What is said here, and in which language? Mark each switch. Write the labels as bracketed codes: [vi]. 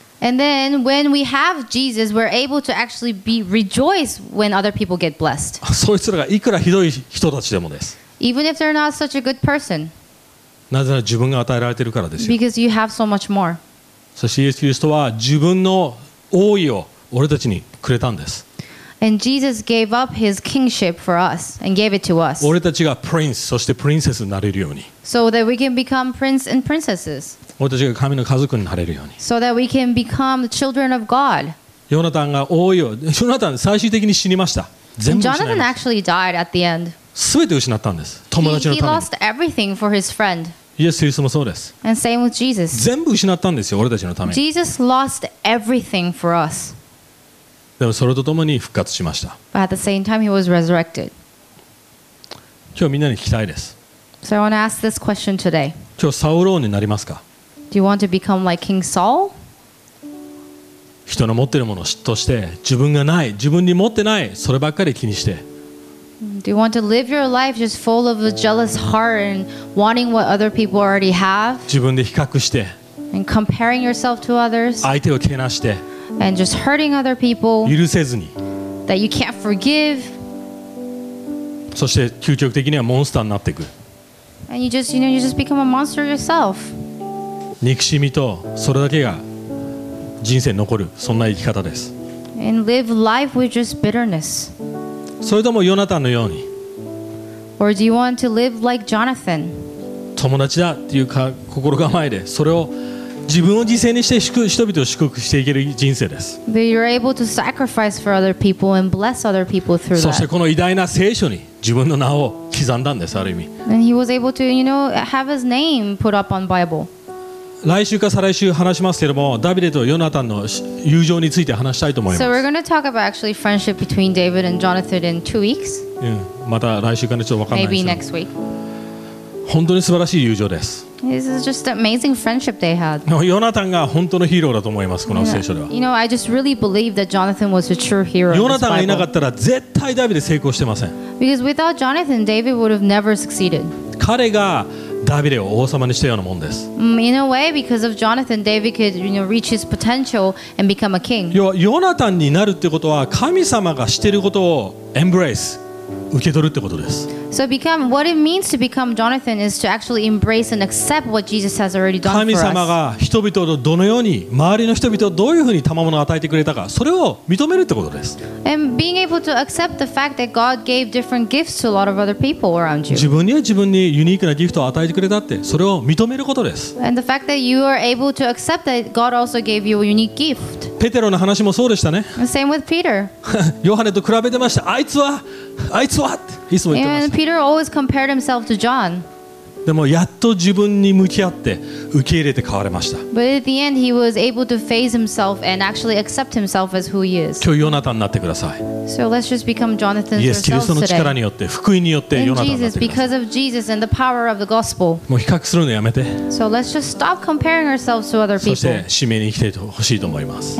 [en] And then when we have Jesus, we're able to actually be rejoice when other people get blessed. [ja] そいつらがいくらひどい人たちでもです。 [en] Even if they're not such a good person. [ja] なぜなら自分が与えられているからですよ。 [en] Because you have so much more. [ja] そしてイエス・キリストは自分の王位を俺たちにくれたんです。 [en] And Jesus gave up his kingship for us and gave it to us. [ja] 俺たちがプリンス、そしてプリンセスになれるように。 [en] So that we can become prince and princesses. [ja] 俺たちが神の家族になれるように。 [en] So that we can become the children of God. [ja] ヨナタンが王位を、ジョナタン最終的に死にました。全部失いました。 [en] And Jonathan actually died at the end. [ja] 全て失ったんです。友達のために。 [en] He lost everything for his friend. [ja] イエス・キリストもそうです。 [en] And same with Jesus. [ja] 全部失ったんですよ、俺たちのために。 [en] Jesus lost everything for us. [ja] でもそれとともに復活しました。 [en] But at the same time, he was resurrected. [ja] 今日みんなに聞きたいです。 [en] So I want to ask this question today. [ja] 今日サウル王になりますか? [en] Do you want to become like King Saul? [ja] 人の持ってるものを嫉妬して、自分がない、自分に持ってない、そればっかり気にして。 [en] Do you want to live your life just full of a jealous heart and wanting what other people already have? [ja] 自分で比較して。 [en] And comparing yourself to others. [ja] 相手をけなして。 [en] And just hurting other people [ja] 許せずに [en] that you can't forgive. [ja] そして究極的にはモンスターになっていく [en] and you just, you know, you just become a monster yourself. [ja] 憎しみとそれだけが人生に残るそんな生き方です [en] and live life with just bitterness. [ja] それともヨナタンのように [en] or do you want to live like Jonathan? [ja] 友達だっていうか心構えでそれを自分を犠牲にして人々を祝福していける人生です。 [en] You're able to sacrifice for other people and bless other people through that. [ja] そしてこの偉大な聖書に自分の名を刻んだんです、ある意味。 [en] And he was able to, you know, have his name put up on Bible. [ja] 来週か再来週話しますけれども、ダビデとヨナタンの友情について話したいと思います。 [en] So we're going to talk about actually friendship between David and Jonathan in 2 weeks. [ja] また来週かね、ちょっと分かんないですけど。 [en] Maybe next week. [ja] 本当に素晴らしい友情です。 [en] This is just an amazing friendship they had. [ja] ヨナタンが本当のヒーローだと思います、この聖書では。 [en] You know, I just really believe that Jonathan was a true hero. [ja] ヨナタンがいなかったら絶対ダビデ成功してません。 [en] Because without Jonathan, David would have never succeeded. [ja] 彼がダビデを王様にしたようなもんです。 [en] In a way, because of Jonathan, David could, you know, reach his potential and become a king. [ja] ヨナタンになるってことは神様がしてることを embrace、受け取るってことです。 [en] So become what it means to become Jonathan is to actually embrace and accept what Jesus has already done for us. [ja] 神様が人々をどのように周りの人々をどういうふうに賜物を与えてくれたか、それを認めるってことです。 [en] And being able to accept the fact that God gave different gifts to a lot of other people around you. [ja] 自分には自分にユニークなギフトを与えてくれたって、それを認めることです。 [en] And the fact that you are able to accept that God also gave you a unique gift. [ja] ペテロの話もそうでしたね。 [en] Same with Peter. [ja] ヨハネと比べてました。あいつはっていつも言ってました。 [en] And Peter always compared himself to John. [ja] でもやっと自分に向き合って受け入れて変われました。 [en] But at the end, he was able to face himself and actually accept himself as who he is. [ja] 今日ヨナタンになってください。 [en] So let's just become Jonathan yourself today. [ja] イエス・キリストの力によって福音によってヨナタンになってください。 [en] In Jesus, because of Jesus and the power of the gospel. [ja] もう比較するのやめて。 [en] So let's just stop comparing ourselves to other people. [ja] そして使命に生きてほしいと思います。